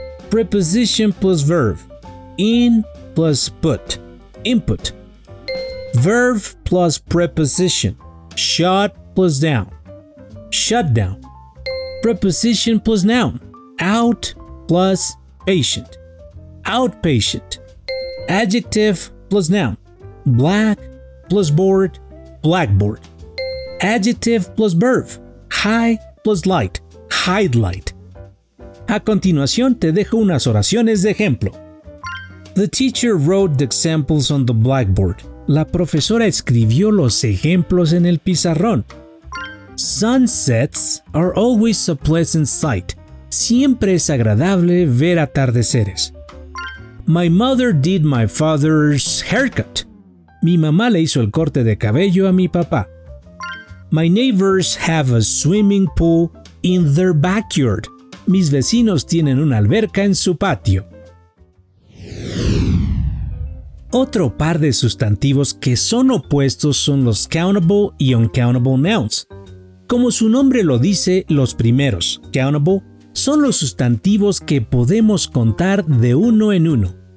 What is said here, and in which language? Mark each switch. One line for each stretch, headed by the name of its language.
English: preposition plus verb, in plus put, input, verb plus preposition, shot plus down, shutdown, preposition plus noun, out plus patient, outpatient. Adjective plus noun. Black plus board, blackboard. Adjective plus verb. High plus light, highlight.
Spanish: A continuación te dejo unas oraciones de ejemplo.
English: The teacher wrote the examples on the blackboard.
Spanish: La profesora escribió los ejemplos en el pizarrón.
English: Sunsets are always a pleasant sight.
Spanish: Siempre es agradable ver atardeceres.
English: My mother did my father's haircut.
Spanish: Mi mamá le hizo el corte de cabello a mi papá.
English: My neighbors have a swimming pool in their backyard.
Spanish: Mis vecinos tienen una alberca en su patio. Otro par de sustantivos que son opuestos son los countable y uncountable nouns. Como su nombre lo dice, los primeros, countable, son los sustantivos que podemos contar de uno en uno.